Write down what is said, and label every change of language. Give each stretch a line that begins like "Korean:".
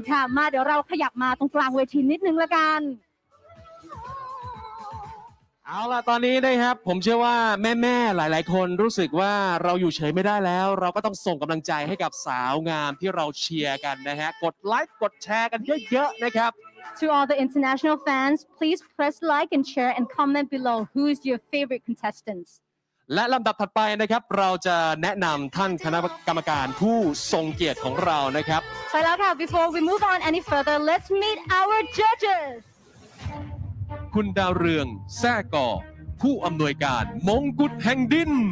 Thai: ค่ะมาเดี๋ยวเราขยับมาตรงกลางเวทีนิดนึงละกัน เอาล่ะตอนนี้นะครับผมเชื่อว่าแม่ๆหลายๆคนรู้สึกว่าเราอยู่เฉยไม่ได้แล้วเราก็ต้องส่งกำลังใจให้กับสาวงามที่เราเชียร์กันนะฮะกดไลค์กดแชร์กันเยอะๆนะครับ
English: To all the international fans please press like and share and comment below who is your favorite contestants
Thai: และลำดับถัดไปนะครับเราจะแนะนำท่านคณะกรรมการผู้ทรงเกียรติของเรานะครับ ใช่แล้วค่ะ
English: Before we move on any further let's meet our judges
Thai: คุณดาวเรืองแซ่ก่อผู้อำนวยการมงกุฎแห่งดิน